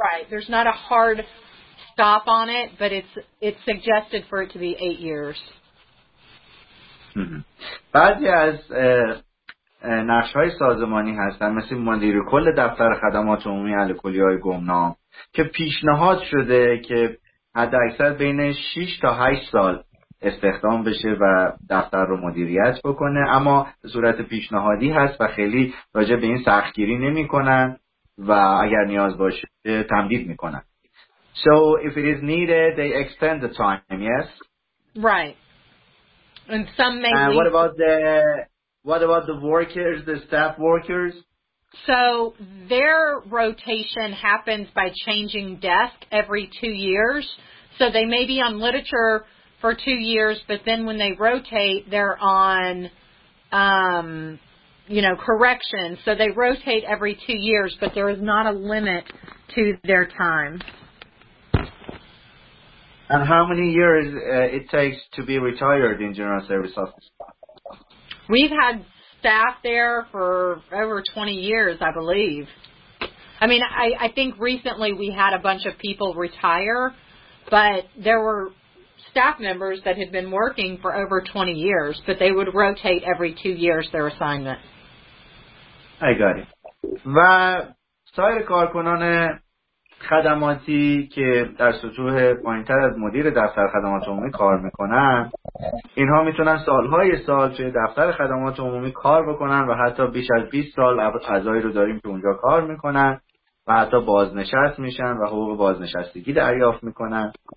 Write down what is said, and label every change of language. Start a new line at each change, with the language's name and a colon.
English: There's not a hard stop on it, but it's suggested for it to be 8 years.
Persian: بعضی از نقش‌های سازمانی هستن مثل مدیر کل دفتر خدمات عمومی الکلی‌های گمنام که پیشنهاد شده که حد اکثر بین 6 تا 8 سال استخدام بشه و دفتر رو مدیریت بکنه، اما صورت پیشنهادی هست و خیلی راجع به این سختگیری نمی کنن و اگر نیاز باشه تمدید می کنن.
English: So if it is needed they extend the time, yes? Right. And some may what about the What about the workers, the staff workers? So their rotation happens by changing desk every 2 years. So they may be on literature for 2 years, but then when they rotate, they're on, corrections. So they rotate every 2 years, but there is not a limit to their time. And how many years it takes to be retired in General Service Office? We've had staff there for over 20 years, I believe. I mean, I think recently we had a bunch of people retire, but there were staff members that had been working for over 20 years, but they would rotate every 2 years their assignment. I got it.
Persian: و سایر کارکنان خدماتی که در سطوح پایین‌تر از مدیر دفتر خدمات عمومی کار میکنن، اینها میتونن سالهای سال توی دفتر خدمات عمومی کار بکنن و حتی بیش از 20 سال اعضایی رو داریم که اونجا کار میکنن و حتی بازنشست میشن و حقوق بازنشستگی دریافت میکنن،